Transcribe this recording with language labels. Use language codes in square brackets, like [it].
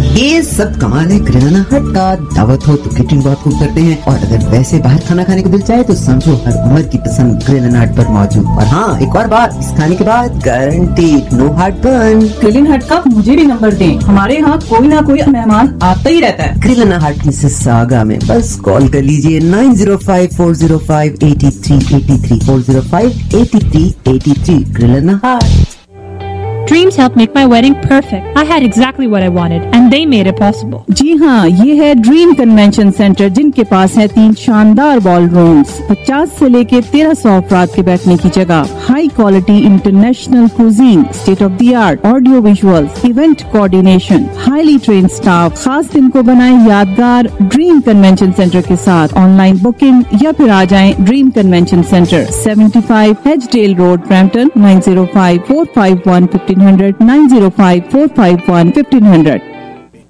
[ur] یہ سب کمال ہے کرانہ ہٹ کا، دعوت ہو تو کچن بہت خوب کرتے ہیں، اور اگر ویسے باہر کھانا کھانے کو دل چاہے تو سمجھو ہر عمر کی پسند کرانہ ہٹ پر موجود۔ اور ہاں، ایک اور بات، اس کھانے کے بعد [en] Guarantee no heartburn. [ur] کرانہ ہٹ کا مجھے بھی نمبر دیں، ہمارے ہاں کوئی نہ کوئی مہمان آتا ہی رہتا ہے۔ کرانہ ہٹ مسز ساگا میں، بس کال کر لیجیے 9054058383 [en] Dreams helped make my wedding perfect. I had exactly what I wanted and they made it possible. [ur] جی ہاں، یہ ہے ڈریم کنوینشن سینٹر، جن کے پاس ہیں 3 شاندار بال رومز، 50 سے لے کے 1300 افراد کے بیٹھنے کی جگہ، [en] high quality international cuisine, state of the art audio visuals, [ur] event coordination, highly trend staff. خاص دن کو بنائیں یادگار ڈریم کنوینشن سینٹر کے ساتھ۔ آن لائن بکنگ یا پھر آ جائیں dream convention centre, 75 Hedgedale Road، Brampton, 905-451-1500 905-451-1500